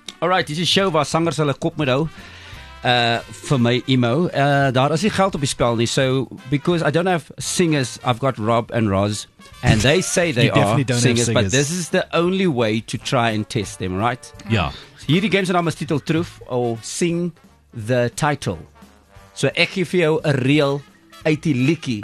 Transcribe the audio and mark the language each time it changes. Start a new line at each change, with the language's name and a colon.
Afrikaans: Alright, dit is 'n show waar sangers hulle kop moet hou. Vir my Imo, daar is nie geld op die spel nie.
English: So because I don't have singers, I've got Rob and Roz, and they say they are singers, but this is the only way to try and test them, right?
Afrikaans: Ja. So hierdie game se naam is titel Truth or Sing the Title. So ek gee vir jou 'n reel uit die liedjie.